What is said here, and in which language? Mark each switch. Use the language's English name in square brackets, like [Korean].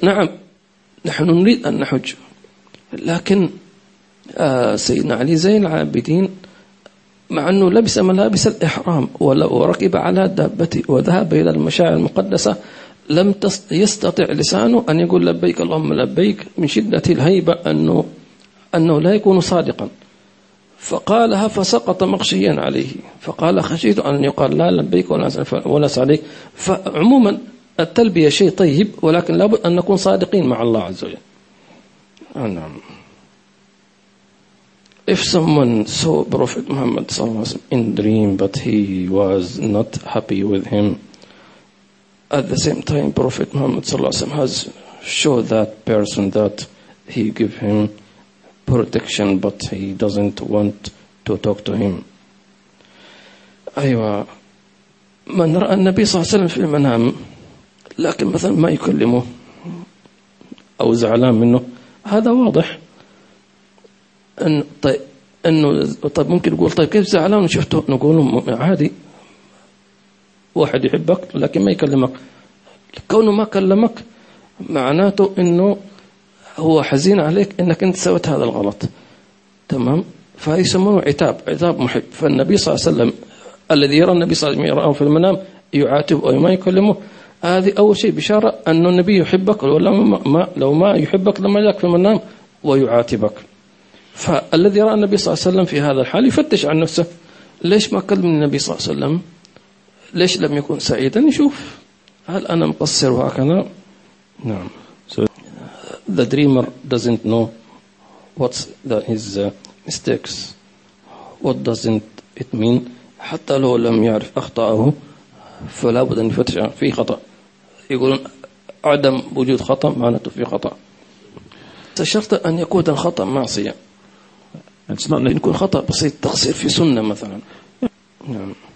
[Arabic] نعم نحن نريد أن نحج، لكن سيدنا علي زين العابدين مع أنه لبس ملابس الإحرام وركب على دابته وذهب إلى المشاعر المقدسة لم يستطع لسانه أن يقول لبيك اللهم لبيك من شدة الهيبة، أنه لا يكون صادقا. فقالها فسقط مغشيا عليه، فقال خشيت أن يقال لا لبيك ولا سعليك. فعموما التلبية شيء طيب، ولكن لابد أن نكون صادقين مع الله عز وجل. نعم. [English] If someone saw Prophet Muhammad in dream but he was not happy with him, at the same time Prophet Muhammad has showed that person that he gave him protection but he doesn't want to talk to him. [Arabic] Aywa. من رأى النبي صلى الله عليه وسلم في المنام لكن مثلا ما يكلمه أو زعلان منه، هذا واضح أنه طيب ممكن يقول طيب كيف زعلان شفته، نقول عادي واحد يحبك لكن ما يكلمك، كونه ما كلمك معناته أنه هو حزين عليك أنك أنت سويت هذا الغلط، تمام؟ فيسمونه عتاب، عتاب محب. فالنبي صلى الله عليه وسلم الذي يرى النبي صلى الله عليه وسلم يرى في المنام يعاتب أو ما يكلمه، هذه أول شيء بشارة أن النبي يحبك، لو ما يحبك لما جاءك في المنام ويعاتبك. فالذي رأى النبي صلى الله عليه وسلم في هذا الحال يفتش عن نفسه، ليش ما كلم النبي صلى الله عليه وسلم، ليش لم يكن سعيدا، يشوف هل أنا مقصر وهكذا. نعم. [English] So the dreamer doesn't know what's his mistakes, what doesn't it mean. [Arabic] حتى لو لم يعرف أخطأه فلا بد أن يفتش في خطأ، يقولون عدم وجود خطأ معناته في خطأ، شرط أن يكون خطأ معصية، أن يكون خطأ بسيط تقصير في سنة مثلا. نعم.